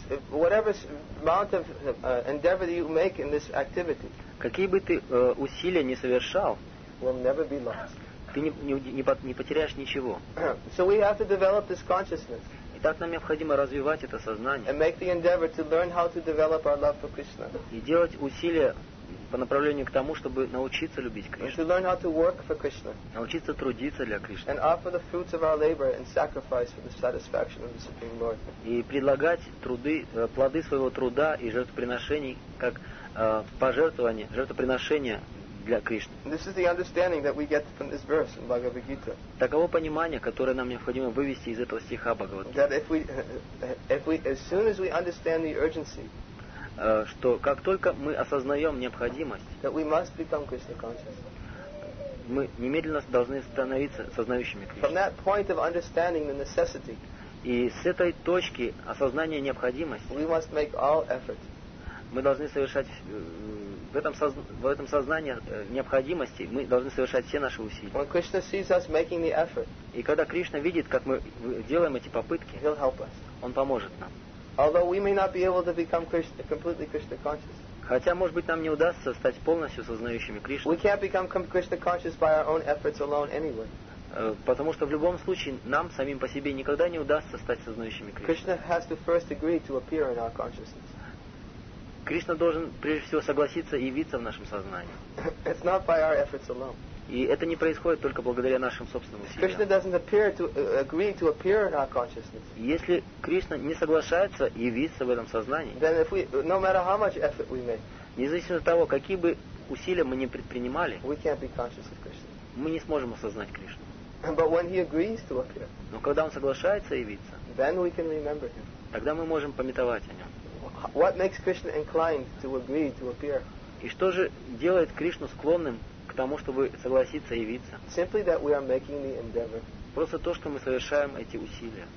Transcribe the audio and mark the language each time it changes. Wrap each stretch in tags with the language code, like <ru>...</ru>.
<en>Whatever amount of endeavor you make in this activity,</en> <ru>какие бы ты усилия не совершал,</ru> <en>will never be lost.</en> <ru>Ты не потеряешь ничего.</ru> <en>So we have to develop this consciousness.</en> <ru>Итак, нам необходимо развивать это сознание.</ru> <en>And make the endeavor to learn how to develop our love for Krishna.</en> <ru>И делать усилия по направлению к тому, чтобы научиться любить Кришну.</ru> <en>And to learn how to work for Krishna.</en> <ru>Научиться трудиться для Кришны.</ru> <en>And offer the fruits of our labor and sacrifice for the satisfaction of the Supreme Lord.</en> <ru>И предлагать труды, плоды своего труда и жертвоприношений как пожертвование, жертвоприношение.</ru> <en>This is the understanding that we get from this verse in Bhagavad Gita.</en> <ru>Таково понимание, которое нам необходимо вывести из этого стиха Бхагавад Гиты.</ru> <en>That if we, as soon as we understand the urgency,</en> <ru>что как только мы осознаем необходимость,</ru> <en>that we must become Krishna conscious.</en> <ru>Мы немедленно должны становиться сознающими Кришны.</ru> <en>From that point of understanding the necessity,</en> <ru>и с этой точки осознания необходимости,</ru> <en>we must make all effort.</en> <ru>Мы должны совершать в этом сознании необходимости мы должны совершать все наши усилия.</ru> <en>When Krishna sees us making the effort,</en> <ru>и когда Кришна видит, как мы делаем эти попытки,</ru> <en>he'll help us.</en> <ru>Он поможет нам.</ru> <en>Although we may not be able to become Krishna, completely Krishna conscious.</en> <ru>Хотя, может быть, нам не удастся стать полностью сознающими Кришну.</ru> <en>We can't become Krishna conscious by our own efforts alone anyway.</en> <ru>Потому что в любом случае нам самим по себе никогда не удастся стать сознающими Кришны.</ru> <en>Krishna has to first agree to appear in our consciousness.</en> <ru>Кришна должен прежде всего согласиться явиться в нашем сознании.</ru> <en>It's not by our efforts alone.</en> <ru>И это не происходит только благодаря нашим собственным усилиям.</ru> <en>Krishna doesn't appear to agree to appear in our consciousness.</en> <ru>Если Кришна не соглашается явиться в этом сознании,</ru> <en>then if we, no matter how much effort we make,</en> <ru>независимо от того, какие бы усилия мы ни предпринимали,</ru> <en>we can't be conscious of Krishna.</en> <ru>Мы не сможем осознать Кришну.</ru> <en>But when he agrees to appear,</en> <ru>но когда он соглашается явиться,</ru> <en>then we can remember him.</en> <ru>Тогда мы можем памятовать о нем.</ru> <en>What makes Krishna inclined to agree to appear?</en> <ru>И что же делает Кришну склонным к тому, чтобы согласиться явиться?</ru> <en>Simply that we are making the endeavor.</en> <ru>Просто то, что мы совершаем эти усилия.</ru>